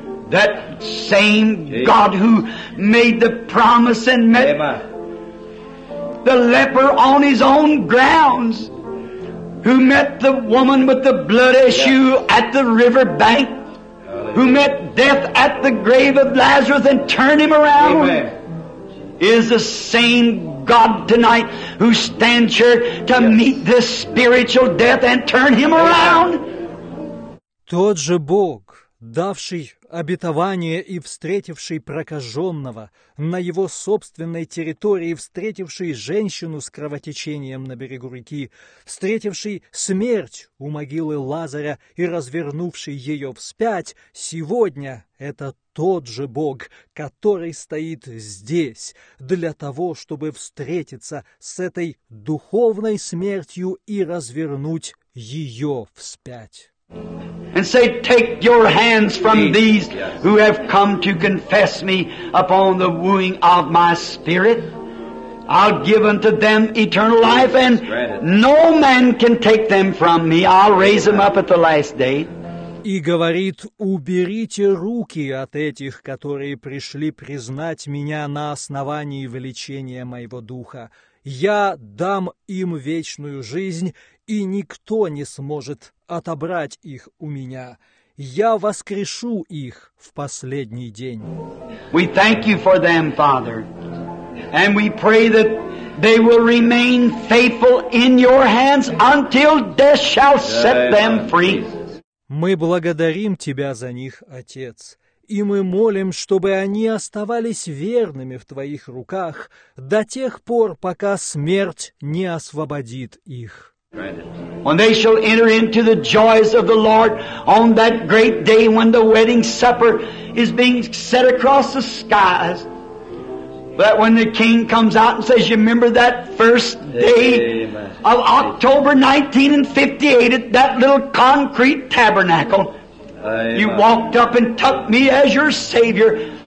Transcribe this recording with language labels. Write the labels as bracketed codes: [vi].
[en] That same God who made the promise and met the leper on his own grounds, who met the woman with the blood issue at the river bank, who met death at the grave of Lazarus and turned him around, is the same God tonight who stands here to meet this spiritual death and turn him around. [ru] Тот же Бог, давший обетование и встретивший прокаженного на его собственной территории, встретивший женщину с кровотечением на берегу реки, встретивший смерть у могилы Лазаря и развернувший ее вспять, сегодня это тот же Бог, который стоит здесь для того, чтобы встретиться с этой духовной смертью и развернуть ее вспять. [en] And say, take your hands from these who have come to confess me upon the wooing of my spirit. I'll give unto them eternal life, and no man can take them from me. I'll raise them up at the last day. [ru] И говорит: уберите руки от этих, которые пришли признать меня на основании влечения моего духа. Я дам им вечную жизнь, и никто не сможет отобрать их у меня. Я воскрешу их в последний день. [en] We thank you for them, Father, and we pray that they will remain faithful in your hands until death shall set them free. [ru] Мы благодарим Тебя за них, Отец, и мы молим, чтобы они оставались верными в Твоих руках до тех пор, пока смерть не освободит их. [en] When they shall enter into the joys of the Lord on that great day when the wedding supper is being set across the skies, that when the king comes out and says, you remember that first day of October 1958 at that little concrete tabernacle, you walked up and took me as your Savior.